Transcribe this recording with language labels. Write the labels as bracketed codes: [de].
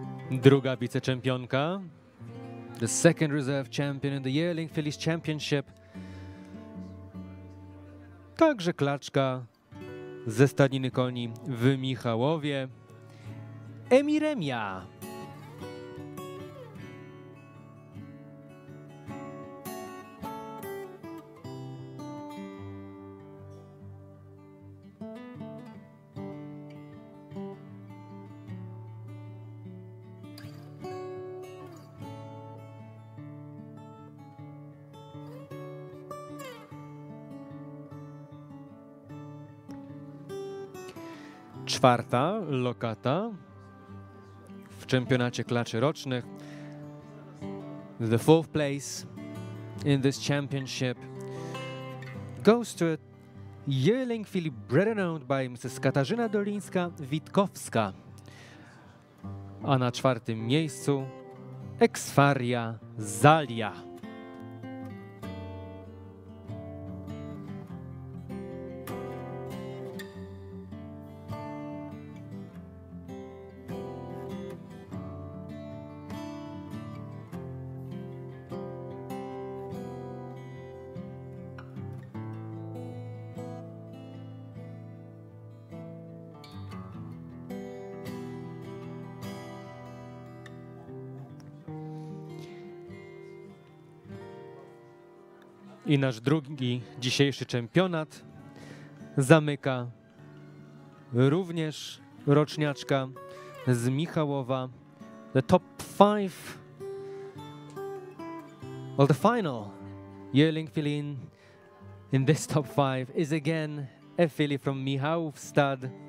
[pl] Druga wicechampionka, [en] the second reserve champion in the Yearling Phillies Championship. [pl] Także klaczka ze Stadniny Koni w Michałowie, Emiremia. Czwarta lokata w czempionacie klaczy rocznych. [en] The fourth place in this championship goes to a yearling filly bred and owned by Mrs. [pl] Katarzyna Dolińska-Witkowska. A na czwartym miejscu Exfaria Zalia. I nasz drugi dzisiejszy czempionat zamyka również roczniaczka z Michałowa. [en] The top five. Well, the final yearling filly in this top five is again a filly from Michałów Stad.